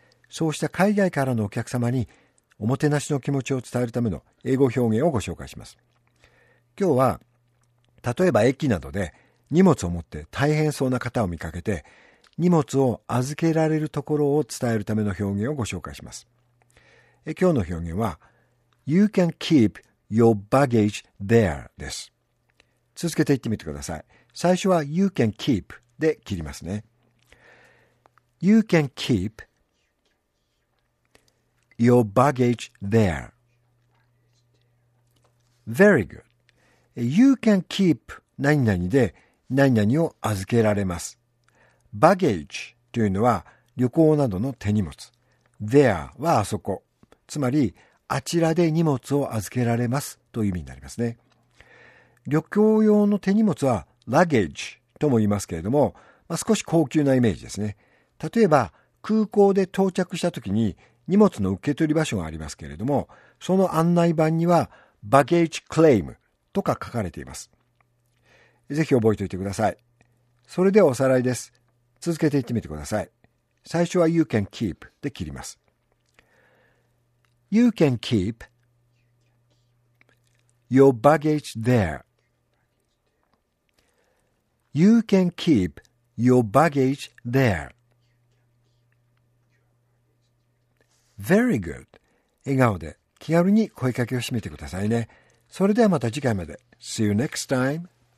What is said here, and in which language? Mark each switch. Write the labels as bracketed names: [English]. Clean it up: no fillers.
[Japanese] そうした海外からのお客様におもてなしの気持ちを伝えるための英語表現をご紹介します。今日は、例えば駅などで荷物を持って大変そうな方を見かけて、荷物を預けられるところを伝えるための表現をご紹介します。今日の表現は、 [English] You can keep your baggage there [Japanese] です。続けて言ってみてください。最初は [English] You can keep [Japanese] で切りますね。 [English] You can keep your baggage there. Very good. You can keep [Japanese] 何々で何々を預けられます。 Baggage というのは旅行などの手荷物。 There はあそこ。つまり、あちらで荷物を預けられますという意味になりますね。旅行用の手荷物はラゲージとも言いますけれども、まあ、少し高級なイメージですね。例えば空港で到着した時に荷物の受け取り場所がありますけれども、その案内板にはバゲージクレームとか書かれています。ぜひ覚えておいてください。それではおさらいです。続けて言ってみてください。最初は [English] You can keep [Japanese] で切ります。 [English] You can keep your baggage there. You can keep your baggage there. Very good. [Japanese] 笑顔で気軽に声かけをしてみてくださいね。それではまた次回まで。 [English] See you next time.